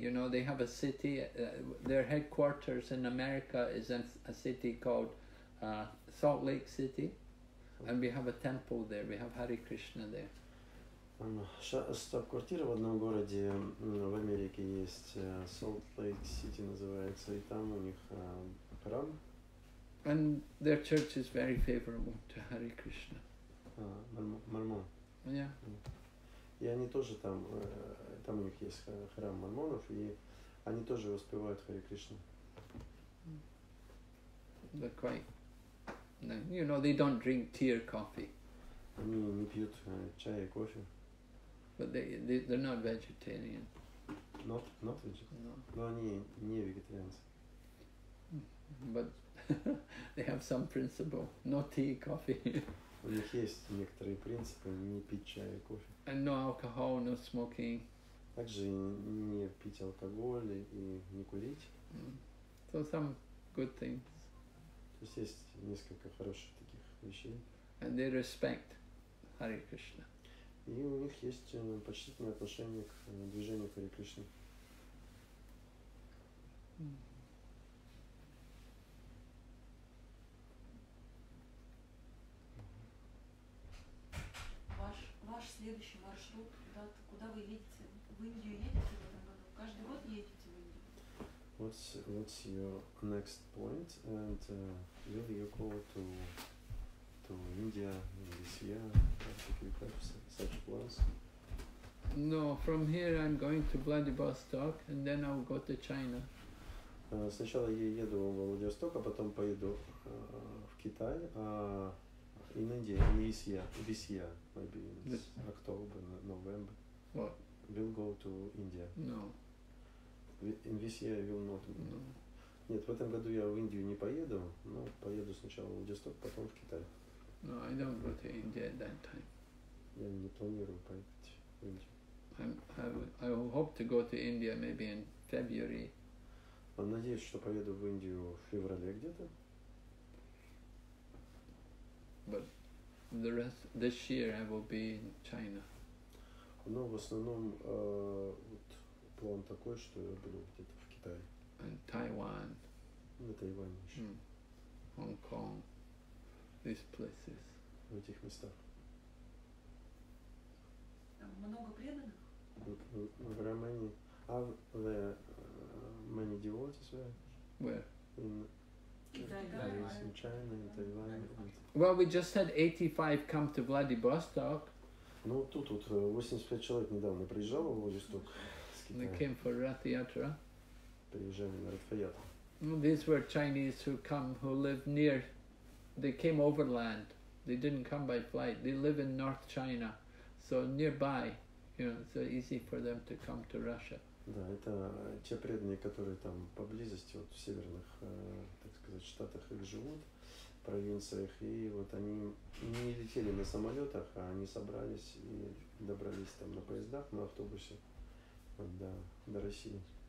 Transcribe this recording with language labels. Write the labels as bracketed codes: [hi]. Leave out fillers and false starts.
[en] You know, they have a city. Their headquarters in America is in a city called Salt Lake City, and we have a temple there. We have Hare Krishna there. [ru] Штаб-квартира в одном городе в Америке есть, Salt Lake City называется, и там у них храм. [en] And their church is very favorable to Hare Krishna. [ru] Мормон. [en] Yeah. [ru] И они тоже там, там у них есть храм мормонов, и они тоже воспевают Hare Krishna. [en] They're quite, you know, they don't drink tea or coffee. [ru] Они не пьют чай и кофе. [en] But they're not vegetarian. Not vegetarian. No, [ru] они не вегетарианцы. [en] But they have some principle. No tea, coffee. [ru] У них есть некоторые принципы: не пить чай и кофе. [en] And no alcohol, no smoking. [ru] Также не пить алкоголь и не курить. [en] So some good things. [ru] То есть есть несколько хороших таких вещей. [en] And they respect Hare Krishna. [ru] И у них есть почтительное отношение к движению Hare Krishna. Ваш следующий маршрут, куда вы едете? В Индию едете в этом году? Каждый год едете в Индию? [en] What's your next point? And will you go to India this year? If you have such plans? No, from here I'm going to Vladivostok and then I'll go to China. [ru] Сначала я еду в Владивосток, а потом поеду в Китай. [en] In India, this year, maybe in October, November, what? We'll go to India. No. In this year, we'll not. No. [ru] Нет, в этом году я в Индию не поеду, но поеду сначала в Владивосток, потом в Китай. [en] No, I don't go to India at that time. [ru] Я не планирую поехать в Индию. [en] I will hope to go to India maybe in February. [ru] Надеюсь, что поеду в Индию в феврале где-то. [en] But the rest this year I will be in China. [ru] Но в основном вот план такой, что я буду где-то в Китае. [en] And Taiwan. [ru] На Тайване еще. [en] Hong Kong. These places. [ru] В этих местах. Там много преданных? [en] Where many? Are there many devotees there? Where? In [ru] Китай, [en] да, China, Taiwan, well, we just had 85 come to Vladivostok. [ru] Ну, тут 85 человек недавно приезжало в Владивосток с Китая. [en] They came for Ratha Yatra. [ru] Приезжали на Ратха Ятру. [en] Well, these were Chinese who come, who live near. They came overland. They didn't come by flight. They live in North China. So nearby, you know, so easy for them to come to Russia. [ru] Да, это те преданные, которые там поблизости, вот в северных, так сказать, штатах их живут, в провинциях, и вот они не летели на самолетах, а они собрались и добрались там на поездах, на автобусе, вот, да, до России.